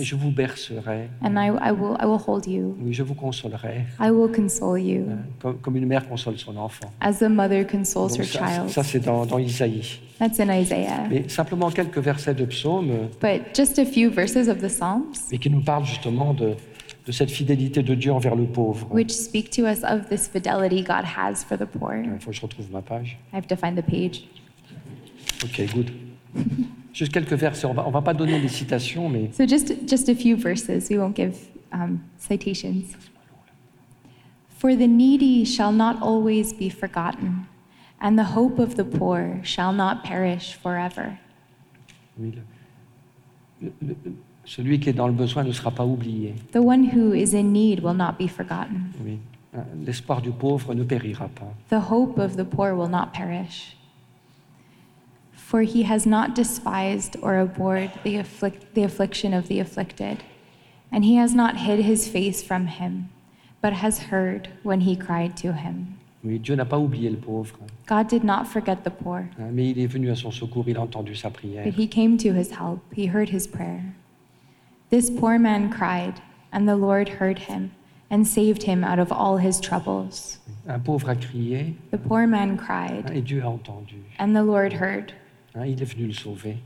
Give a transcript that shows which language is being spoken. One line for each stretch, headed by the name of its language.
French: Et je vous bercerai.
English: And I will hold you.
French: Oui, je vous consolerai.
English: I will console you.
French: Comme une mère console son enfant.
English: As a mother consoles her child.
French: Ça c'est dans Isaïe.
English: That's in Isaiah.
French: Mais simplement quelques versets de psaumes.
English: But just a few verses of the Psalms.
French: Mais qui nous parlent justement de cette fidélité de Dieu envers le pauvre.
English: Which speak to us of this fidelity God has for the poor.
French: Il faut que je retrouve ma page.
English: I have to find the page. Ok, good.
French: Juste quelques versets. On va pas donner des citations, mais.
English: So just a few verses. We won't give citations. For the needy shall not always be forgotten, and the hope of the poor shall not perish forever.
French: Oui, celui qui est dans le besoin ne sera pas oublié.
English: The one who is in need will not be forgotten.
French: Oui, l'espoir du pauvre ne périra pas.
English: The hope of the poor will not perish. For he has not despised or abhorred the affliction of the afflicted, and he has not hid his face from him. But has heard when he cried to him.
French: Oui, Dieu n'a pas oublié le pauvre.
English: God did not forget the poor.
French: Mais il est venu à son secours, il a entendu sa prière.
English: But he came to his help, he heard his prayer. This poor man cried, and the Lord heard him, and saved him out of all his troubles.
French: Un pauvre a crié.
English: The poor man cried.
French: Et Dieu a entendu.
English: And the Lord heard.
French: Il est venu le sauver.